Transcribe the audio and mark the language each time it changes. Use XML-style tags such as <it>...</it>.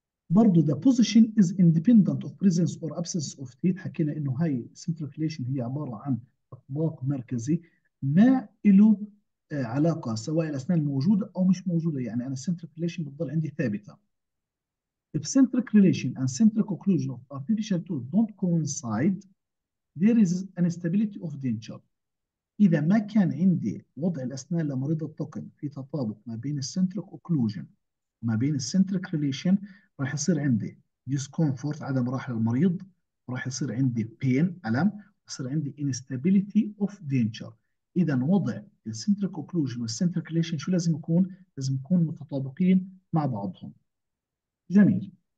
<ar>برضه</ar> <en>the position is independent of presence or absence of teeth،</en> <ar>حكينا انه هاي central relation هي عباره عن اطباق مركزي ما له علاقه سواء الاسنان موجوده او مش موجوده، يعني انا central relation بتضل عندي ثابته.</ar> <en>If centric relation and centric occlusion of artificial tooth don't coincide, there is an instability of denture.</en> <ar>إذا ما كان عندي وضع الأسنان لمريض الطقم في تطابق ما بين السنتريك أوكلوجن ما بين السنتريك ريليشن راح يصير عندي ديسكومفورت عدم راحة للمريض، راح يصير عندي بين ألم، يصير عندي انستابيليتي اوف دينشر. اذا وضع السنتريك اوكلوجن والسنتريك ريليشن شو لازم يكون؟ لازم يكون متطابقين مع بعضهم. جميل.</ar>